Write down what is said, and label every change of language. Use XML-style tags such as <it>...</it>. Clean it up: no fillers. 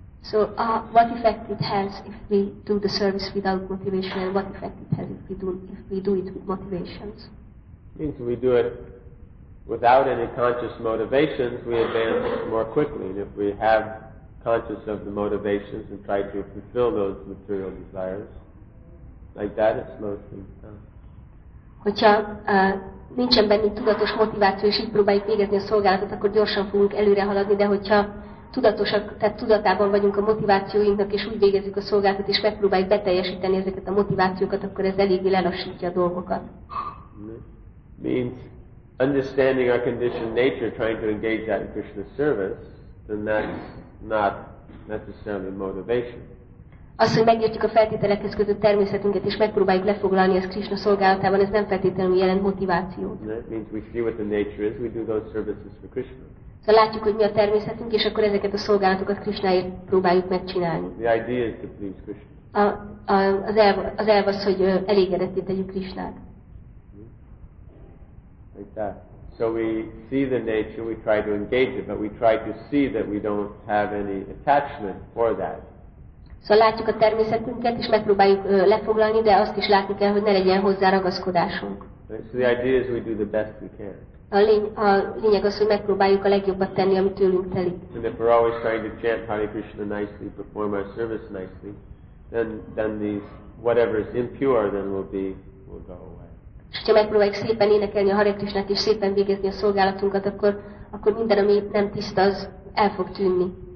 <en>what effect it has if we do the service without motivation, and what effect it has if we do it with motivations? Means we do it without any conscious motivations, we advance more quickly. And if we have conscious of the motivations and try to fulfill those material desires, like that, it slows things down.</en> <hu>Hogyha nincsen bennünk tudatos motiváció, és így próbáljuk végezni a szolgálatot, akkor gyorsan fogunk előre haladni, de hogyha tudatosak, tehát tudatában vagyunk a motivációinknak, és úgy végezzük a szolgálatot, és megpróbáljuk beteljesíteni ezeket a motivációkat, akkor ez eléggé lelassítja a dolgokat.</hu> <en>Means understanding our conditioned nature, trying to engage that in Krishna's service, then that's not necessarily motivation.</en> <hu>Azt, hogy megértjük a feltételekhez kötött természetünket, és megpróbáljuk lefoglalni ezt Krishna szolgálatában, ez nem feltétlenül jelent motivációt.</hu> <en>That means we see what the nature is, we do those services for Krishna.</en> <hu>Szóval látjuk, hogy mi a természetünk, és akkor ezeket a szolgálatokat Krishnáért próbáljuk megcsinálni.</hu> <en>The idea is to please Krishna.</en> <hu>Az elv az, hogy elégedetté tegyük Krishnát.</hu> <en>Like that. So we see the nature, we try to engage it, but we try to see that we don't have any attachment for that.</en> <hu>So látjuk a természetünket, és megpróbáljuk lefoglalni, de azt is látni kell, hogy ne legyen hozzá ragaszkodásunk.</hu> <en>So the idea is we do the best we can.</en> <hu>A lényeg az, hogy megpróbáljuk a legjobbat tenni, ami tőlünk telik.</hu> <en>And if we're always trying to chant Hare Krishna nicely, perform our service nicely, then these whatever is impure then will go away.</en> <hu>És ha megpróbáljuk szépen énekelni a Hare Krishnát és szépen végezni a szolgálatunkat, akkor minden, ami nem tiszta, az el fog tűnni.</hu>